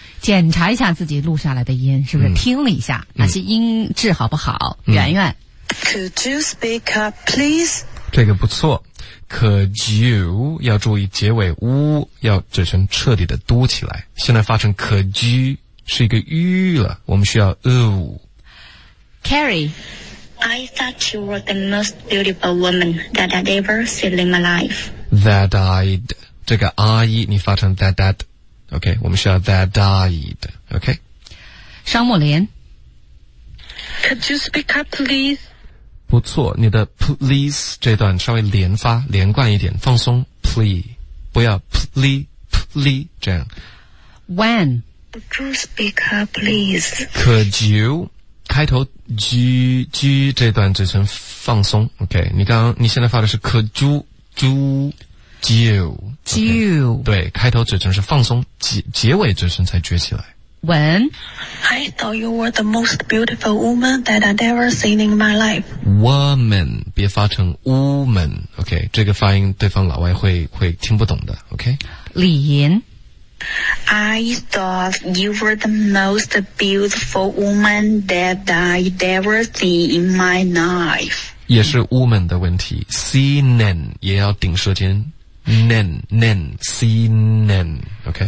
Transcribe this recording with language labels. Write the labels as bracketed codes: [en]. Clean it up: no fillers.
[zh] 检查一下自己录下来的音是不是听了一下，那些音质好不好？圆圆 [en] ，Could you speak up, please？ [zh] 这个不错 ， [en] Could you [zh] 要注意结尾呜要嘴唇彻底的嘟起来，现在发成 [en] could you。 [zh] 是一个吁了，我们需要哦。 [en] Carrie， I thought you were the most beautiful woman that I'd ever seen in my life. That I'd [zh] 这个 I 你发成 [en] that that， OK， [zh] 我们需要 [en] that I'd， OK。 [zh] 商墨莲 [en] ，Could you speak up, please？ [zh] 不错，你的 [en] please [zh] 这段稍微连发连贯一点，放松 [en] please， 不要 please please [zh] 这样。 [en] When。 Could you speak up, please? Could you? [zh] 开头 G G 这段嘴唇放松。 OK， 你现在发的是 [en] Could you? Could you? Okay, you? [zh] 对，开头嘴唇是放松，结尾嘴唇才撅起来。 [en] When? I thought you were the most beautiful woman that I'd ever seen in my life. Woman， [zh] 别发成 [en] woman。 [zh] OK， 这个发音对方老外会听不懂的。 [en] OK， [zh] 李银。 [en] I thought you were the most beautiful woman that I'd ever seen in my life. [zh] 也是 woman 的问题。 [en] Seen [zh] 也要顶舌尖。 [en] Nen seen. OK。